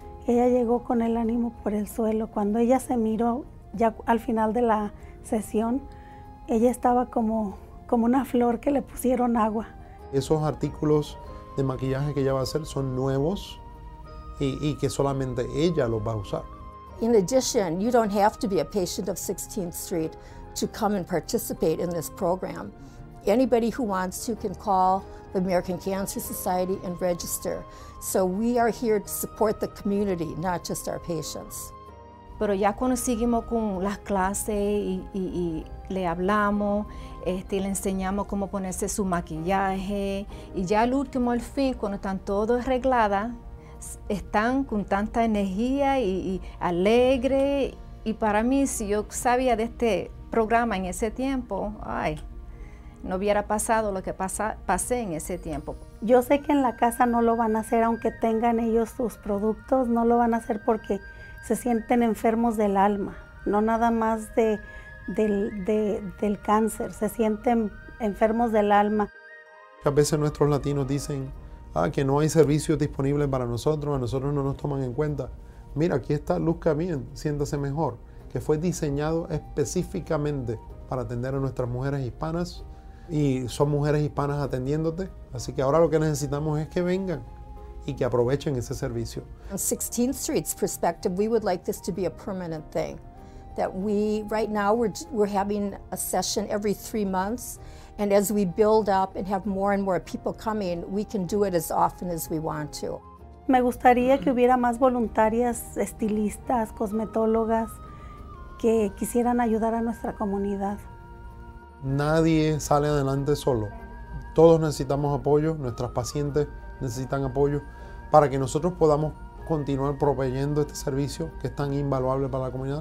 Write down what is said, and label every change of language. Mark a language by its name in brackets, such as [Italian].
[Spanish] Ella llegó con el ánimo por el suelo. Cuando ella se miró ya al final de la sesión, ella estaba como una flor que le pusieron agua. Esos artículos de maquillaje que ella va a hacer son nuevos y que solamente ella los va a usar. [English] In addition, you don't have to be a patient of 16th Street to come and participate in this program. Anybody who wants to can call the American Cancer Society, and register. So we are here to support the community, not just our patients. [Spanish] Pero ya cuando seguimos con las clases y le hablamos, y le enseñamos cómo ponerse su maquillaje, y ya al último, al fin, cuando están todos arregladas, están con tanta energía y alegre. Y para mí, si yo sabía de este programa en ese tiempo, ay, no hubiera pasado lo que pasé en ese tiempo. Yo sé que en la casa no lo van a hacer, aunque tengan ellos sus productos, no lo van a hacer porque se sienten enfermos del alma, no nada más del cáncer, se sienten enfermos del alma. A veces nuestros latinos dicen, ah, que no hay servicios disponibles para nosotros, a nosotros no nos toman en cuenta. Mira, aquí está Luz Camien, siéntase mejor, que fue diseñado específicamente para atender a nuestras mujeres hispanas y son mujeres hispanas atendiéndote. Así que ahora lo que necesitamos es que vengan y que aprovechen ese servicio. [English] On 16th Street's perspective, we would like this to be a permanent thing. That we, right now, we're having a session every 3 months, and as we build up and have more and more people coming, we can do it as often as we want to. [Spanish] Me gustaría que hubiera más voluntarias, estilistas, cosmetólogas que quisieran ayudar a nuestra comunidad. Nadie sale adelante solo. Todos necesitamos apoyo, nuestras pacientes necesitan apoyo para que nosotros podamos continuar proveyendo este servicio que es tan invaluable para la comunidad.